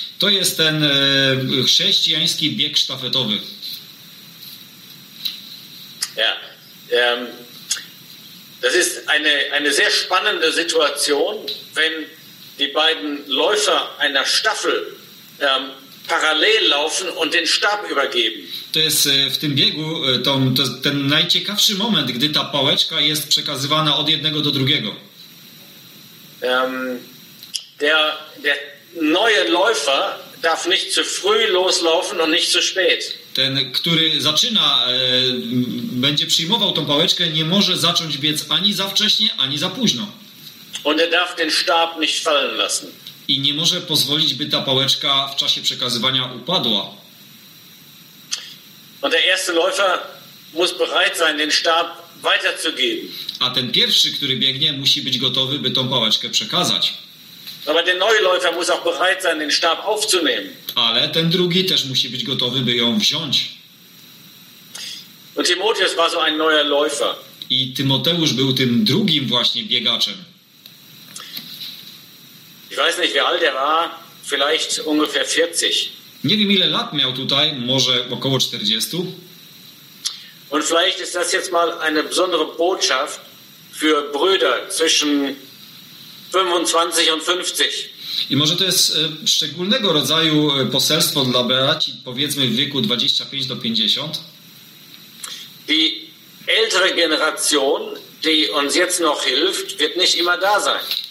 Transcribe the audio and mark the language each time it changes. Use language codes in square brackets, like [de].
[pl] To jest ten chrześcijański bieg sztafetowy. [de] Ja. Das ist eine sehr spannende Situation, wenn die beiden Läufer einer Staffel parallel laufen und den Stab übergeben. [pl] To jest w tym biegu ten najciekawszy moment, gdy ta pałeczka jest przekazywana od jednego do drugiego. [de] Der neue Läufer darf nicht zu früh loslaufen und nicht zu spät. [pl] Ten, który zaczyna, będzie przyjmował tą pałeczkę, nie może zacząć biec ani za wcześnie, ani za późno. [de] Und er darf den Stab nicht fallen lassen. [pl] I nie może pozwolić, by ta pałeczka w czasie przekazywania upadła. [de] Und der erste Läufer muss bereit sein, den Stab weiterzugeben. [pl] A ten pierwszy, który biegnie, musi być gotowy, by tą pałeczkę przekazać. [de] Aber der neue Läufer muss auch bereit sein, den Stab aufzunehmen. [pl] Ale ten drugi też musi być gotowy, by ją wziąć. [de] Und Timotheus war so ein neuer Läufer. [pl] I Tymoteusz był tym drugim właśnie biegaczem. [de] Ich weiß nicht, wie alt er war, vielleicht ungefähr 40. [pl] Nie wiem, ile lat miał tutaj, może około 40. [de] Und vielleicht ist das jetzt mal eine besondere Botschaft für Brüder zwischen 25 und 50. [pl] I może to jest szczególnego rodzaju poselstwo dla braci, powiedzmy w wieku 25 do 50. [de] Die ältere Generation, die uns jetzt noch hilft, wird nicht immer da sein.